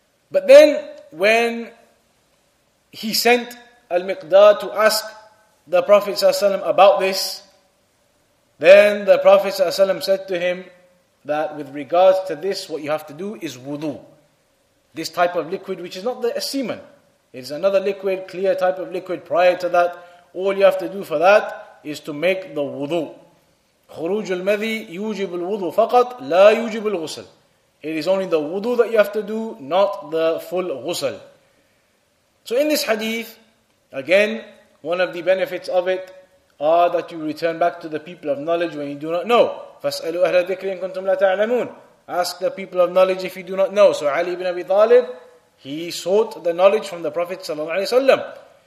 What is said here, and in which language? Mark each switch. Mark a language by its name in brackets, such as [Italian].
[English] But then when he sent Al-Miqdad to ask the Prophet ﷺ about this, then the Prophet ﷺ said to him that with regards to this, what you have to do is wudu. This type of liquid, which is not the semen, it's another liquid, clear type of liquid prior to that. All you have to do for that is to make the wudu. [Arabic] خروج المذي يوجب الوضوء فقط لا يوجب الغسل. [English] It is only the wudu that you have to do, not the full ghusl. So in this hadith, again, one of the benefits of it are that you return back to the people of knowledge when you do not know. [Arabic] فَاسْأَلُوا أَهْلَ ذِكْرِ إِن كُنْتُمْ لَا تَعْلَمُونَ. [English] Ask the people of knowledge if you do not know. So Ali ibn Abi Talib, he sought the knowledge from the Prophet ﷺ.